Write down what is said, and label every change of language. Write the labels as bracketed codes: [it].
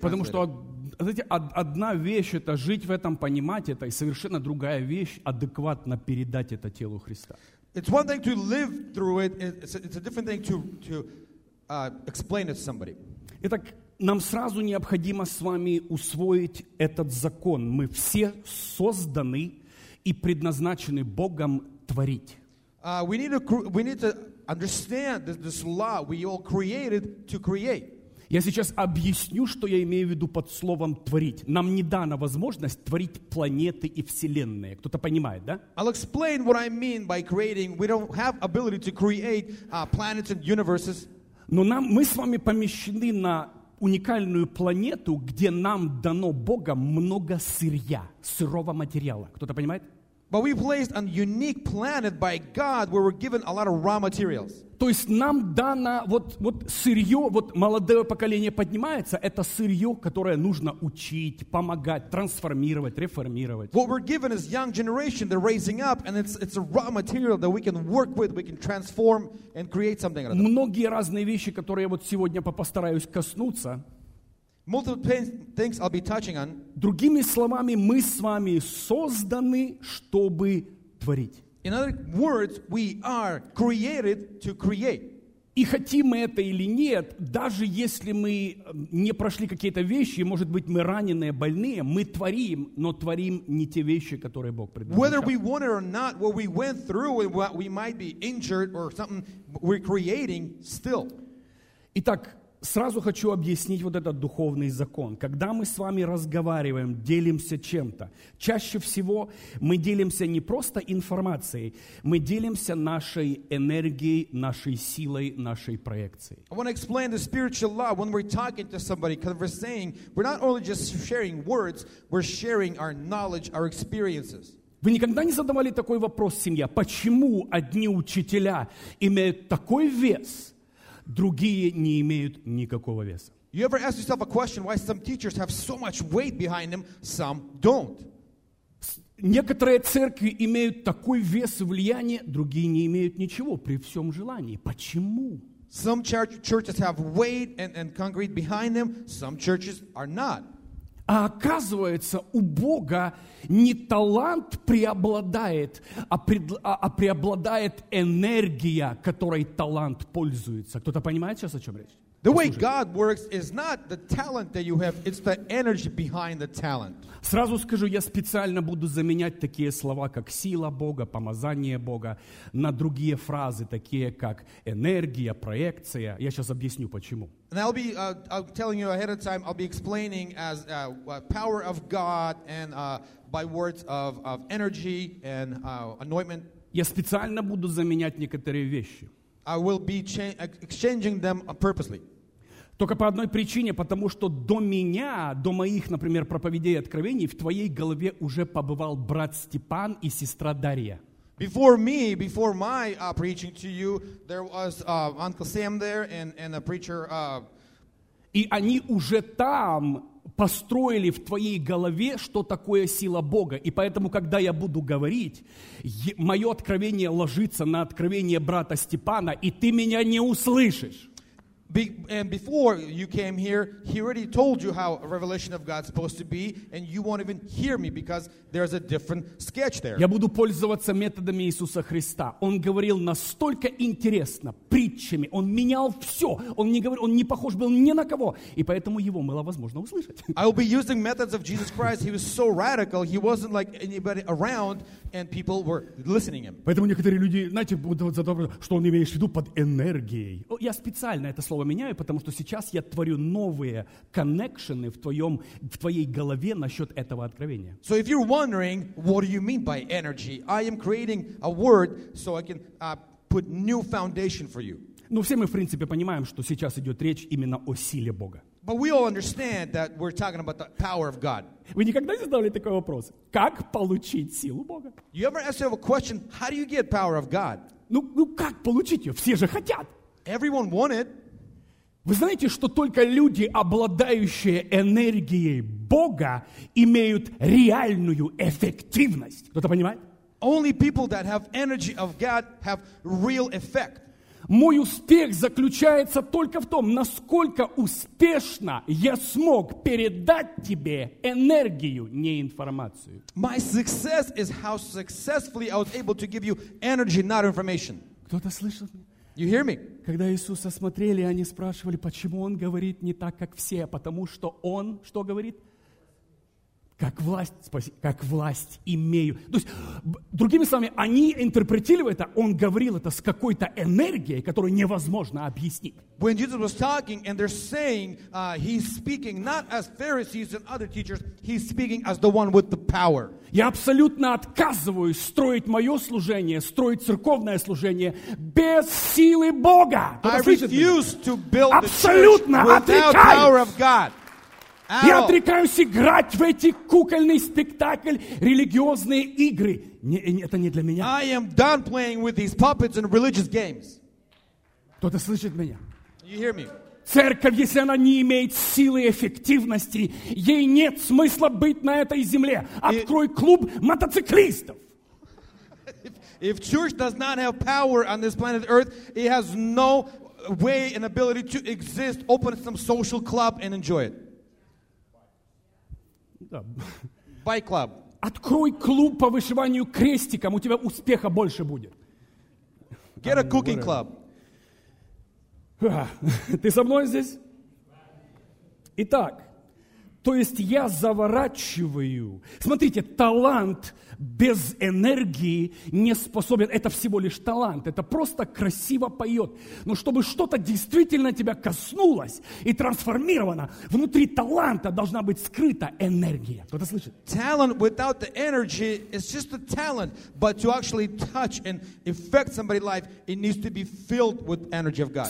[ru] Потому что, знаете, одна вещь — это жить в этом, понимать это, и совершенно другая вещь — адекватно передать это телу Христа. [en] It's one thing to live through it. It's a different thing to explain it to somebody. [ru] Итак, нам сразу необходимо с вами усвоить этот закон. Мы все созданы и предназначены Богом творить. [en] We need to understand this law. We all created to create. [ru] Я сейчас объясню, что я имею в виду под словом творить. Нам не дана возможность творить планеты и вселенные. Кто-то понимает, да? [en] I'll explain what I mean by creating. We don't have ability to create planets and universes. [ru] Но мы с вами помещены на уникальную планету, где нам дано Богом много сырья, сырого материала. Кто-то понимает? [en] But we placed on a unique planet by God where we're given a lot of raw materials. [ru] То есть нам дано вот сырье, вот молодое поколение поднимается, это сырье, которое нужно учить, помогать, трансформировать, реформировать. [en] What we're given is young generation, they're raising up, and it's a raw material that we can work with, we can transform and create something out of them. [ru] Многие разные вещи, которые я вот сегодня постараюсь коснуться. [en] Multiple things I'll be touching on. [ru] Другими словами, мы с вами созданы, чтобы творить. [en] In other words, we are created to create. [ru] И хотим мы это или нет, даже если мы не прошли какие-то вещи, может быть, мы раненые, больные, мы творим, но творим не те вещи, которые Бог предназначил. [en] Whether we want it or not, what we went through, what we might be injured or something, we're creating still. [ru] Итак, сразу хочу объяснить вот этот духовный закон. Когда мы с вами разговариваем, делимся чем-то, чаще всего мы делимся не просто информацией, мы делимся нашей энергией, нашей силой, нашей проекцией. [en] I want to explain the spiritual law. When we're talking to somebody, conversing, we're not only just sharing words, we're sharing our knowledge, our experiences. [ru] Вы никогда не задавали такой вопрос, семья, почему одни учителя имеют такой вес, другие не имеют никакого веса? [en] You ever ask yourself a question, why some teachers have so much weight behind them, some don't? [ru] Некоторые церкви имеют такой вес и влияние, другие не имеют ничего при всем желании. Почему? [en] Some churches have weight and concrete behind them, some churches are not. [ru] А оказывается, у Бога не талант преобладает, а преобладает энергия, которой талант пользуется. Кто-то понимает сейчас, о чем речь? [en] The way God works is not the talent that you have, it's the energy behind the talent. [ru] Сразу скажу, я специально буду заменять такие слова, как сила Бога, помазание Бога, на другие фразы, такие как энергия, проекция. Я сейчас объясню, почему. [en] And I'll be telling you ahead of time, I'll be explaining as power of God and by words of energy and anointment. [ru] Я специально буду заменять некоторые вещи. [en] I will be exchanging them purposely. [ru] Только по одной причине, потому что до меня, до моих, например, проповедей и откровений, в твоей голове уже побывал брат Степан и сестра Дарья. [en] Before me, before my preaching to you, there was Uncle Sam there and a preacher. [ru] И они уже там построили в твоей голове, что такое сила Бога. И поэтому, когда я буду говорить, мое откровение ложится на откровение брата Степана, и ты меня не услышишь. [en] And before you came here, he already told you how revelation of God is supposed to be, and you won't even hear me because there's a different sketch there. [ru] Я буду пользоваться методами Иисуса Христа. Он говорил настолько интересно, притчами. Он менял все. Он не говорил, он не похож был ни на кого, и поэтому его было возможно услышать. [en] I will be using methods of Jesus Christ. He was so radical. He wasn't like anybody around, and people were listening him. [ru] Поэтому некоторые люди, знаете, будут задавать, что он имеет в виду под энергией. Я специально это слово меняю, потому что сейчас я творю новые коннекшены в твоей голове насчет этого откровения. [en] So if you're wondering, what do you mean by energy? I am creating a word so I can put new foundation for you. [ru] Но все мы, в принципе, понимаем, что сейчас идет речь именно о силе Бога. [en] But we all understand that we're talking about the power of God. [ru] Вы никогда не задавали такой вопрос? Как получить силу Бога? [en] You ever asked yourself a question, how do you get power of God? [ru] Ну как получить ее? Все же хотят. [en] Everyone want it. [ru] Вы знаете, что только люди, обладающие энергией Бога, имеют реальную эффективность? Кто-то понимает? [en] Only people that have energy of God have real effect. [ru] Мой успех заключается только в том, насколько успешно я смог передать тебе энергию, не информацию. [en] My success is how successfully I was able to give you energy, not information. [ru] Кто-то слышал меня? [en] You hear me? [ru] Когда Иисуса смотрели, они спрашивали, почему Он говорит не так, как все, потому что Он, что говорит? Как власть имею. То есть, другими словами, они интерпретировали это, Он говорил это с какой-то энергией, которую невозможно объяснить. [en] When Jesus was talking, and they're saying, He's speaking not as Pharisees and other teachers, He's speaking as the one with the power. [ru] Я абсолютно отказываюсь строить мое служение, строить церковное служение без силы Бога. [en] I refuse to build [ru] абсолютно [en] the church without the power of God. [ru] Я отрекаюсь играть в эти кукольный спектакль, религиозные игры. Это не для меня. [en] I am done playing with these puppets and religious games. [ru] Кто-то слышит меня? [en] You hear me? [ru] Церковь, если она не имеет силы и эффективности, ей нет смысла быть на этой земле. Открой клуб мотоциклистов. [en] If church does not have power on this planet Earth, it has no way and ability to exist. Open some social club and enjoy it. Bike club. [ru] Открой клуб по вышиванию крестиком, у тебя успеха больше будет. [en] Get a cooking club. [ru] Ты со мной здесь? Итак, то есть я заворачиваю. Смотрите, талант без энергии не способен. Это всего лишь талант. Это просто красиво поет. Но чтобы что-то действительно тебя коснулось и трансформировано, внутри таланта должна быть скрыта энергия. Кто-то слышит? [en] Talent without the energy is just a talent. But to actually touch and affect somebody's life, it needs to be filled with energy of God.